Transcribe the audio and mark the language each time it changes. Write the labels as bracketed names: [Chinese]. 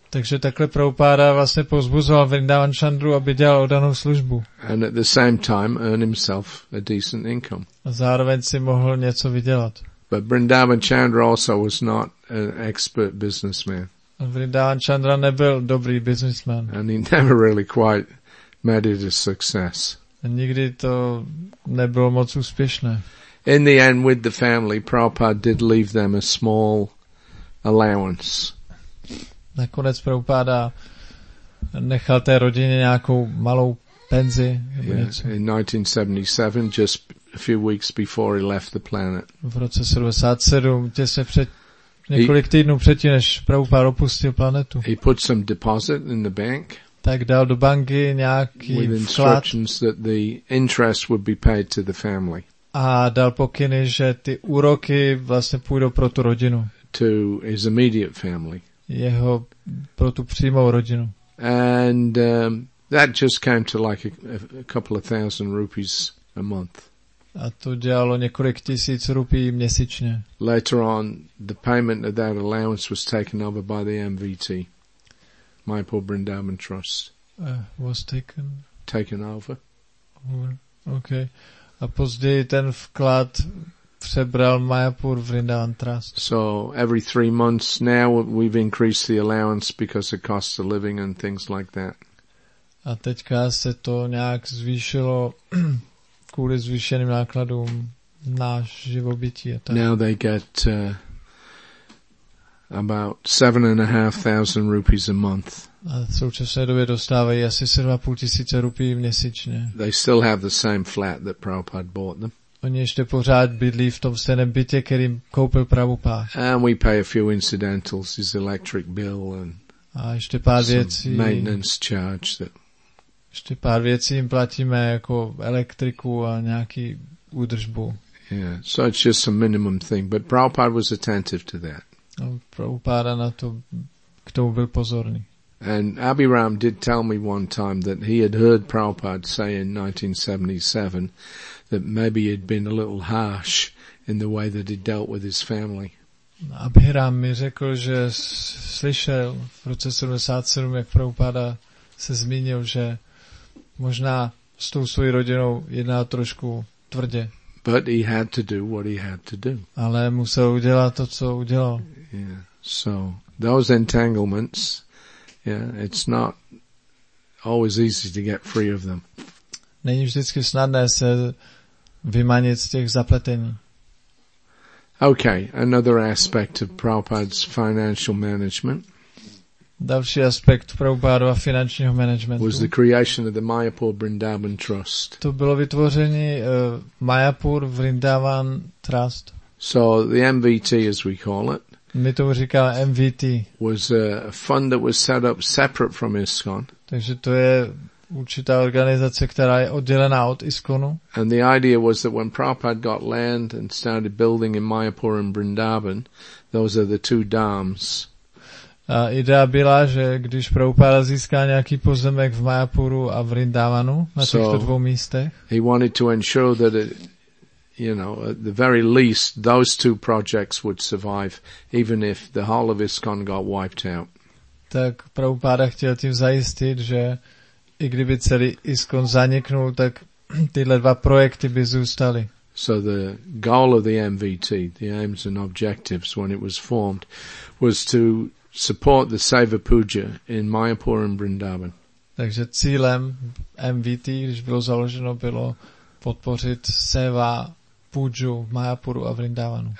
[Czech] Takže takhle Prabhupada vlastně povzbuzoval Vrindavan Chandru, aby dělal oddanou službu. [English] And at the same time earn himself a decent income. [Czech] A zároveň si mohl něco vydělat. [English] But Vrindavan Chandra also was not an expert businessman. [Czech] Vrindavan Chandra nebyl dobrý businessman. [English] And he never really quite made it a success. [Czech] A nikdy to nebylo moc úspěšné. [English] In the end, with the family, Prabhupada did leave them a small allowance. [Czech] nakonec Prabhupada nechal té rodině nějakou malou penzi. [English] Yeah, in 1977, just a few weeks before he left the planet. [Czech] V roce 77, těsně před několik týdnů předtím, než Prabhupada opustil planetu. [English] He put some deposit in the bank. [Czech] Tak dal do banky nějaký vklad. [English] With instructions that the interest would be paid to the family. [Czech] A dal pokyny, že ty úroky vlastně půjdou pro tu rodinu. [English] To his immediate family. [Czech] Jeho pro tu přímou rodinu. [English] And that just came to like a couple of thousand rupees a month. [Czech] A to dělalo několik tisíc rupií měsíčně. [English] Later on, the payment of that allowance was taken over by the MVT. Mayapur Vrindavan Trust. Was taken? Taken over. Okay. [Czech] A později ten vklad přebral Mayapur Vrindavan Trust. [English] So every 3 months now we've increased the allowance because it costs a living and things like that. [Czech] A teďka se to nějak zvýšilo kvůli zvýšeným nákladům na živobytí. A [English] tak. Now they get about 7,500 rupees a month. [Czech] A v současné době dostávají asi 7,500 rupií měsíčně. [English] They still have the same flat that Prabhupada bought them. [Czech] Oni ještě pořád bydlí v tom stejném bytě, kterým koupil Prabhupada. [English] And we pay a few incidentals, his electric bill and [Czech] a ještě pár věcí, [English] maintenance charge that. [Czech] Ještě pár věcí jim platíme jako elektriku a nějaký údržbu. [English] Yeah, so it's just a minimum thing, but Prabhupada was attentive to that. [Czech] No, Prabhupada na to, k tomu byl pozorný. [English] And Abhiram did tell me one time that he had heard Prabhupada say in 1977 that maybe he'd been a little harsh in the way that he dealt with his family. [Czech] Abhiram mi řekl, že slyšel v roce 77, jak Prabhupada se zmínil, že možná s tou svojí rodinou jedná trošku tvrdě. [English] But he had to do what he had to do. [Czech] Ale musel udělat to, co udělal. [English] Yeah. So those entanglements, yeah, it's not always easy to get free of them. [Czech] Není vždycky snadné se vymanit z těch zapletení. [English] Okay, another aspect of Prabhupada's financial management. [Czech] Další aspekt Prabhupádova finančního managementu. [English] Was the creation of the Mayapur Vrindavan Trust. [Czech] To bylo vytvoření Mayapur Vrindavan Trust. [English] So the MVT, as we call it. [Czech] My tomu říkáme MVT. [English] Was a fund that was set up separate from ISKCON. [Czech] Takže to je určitá organizace, která je oddělená od ISKCONu. [English] And the idea was that when Prabhupada got land and started building in Mayapur and Vrindavan, those are the two dhams. [Czech] A idea byla, že když Prabhupada získá nějaký pozemek v Mayapuru a v Vrindavanu na těchto dvou místech. [English] He wanted to ensure that it, you know, at the very least those two projects would survive even if the whole of ISKCON got wiped out. [Czech] Tak Prabhupada chtěl tím zajistit, že i kdyby celý ISKCON zaniknul, tak tyhle dva projekty by zůstaly. [English] So the goal of the MVT, the aims and objectives when it was formed, was to support the Saiva Puja in Mayapur and Vrindavan. [Czech] Takže cílem MVT, když bylo založeno, bylo podpořit Seva Puju v Mayapuru a Vrindavanu.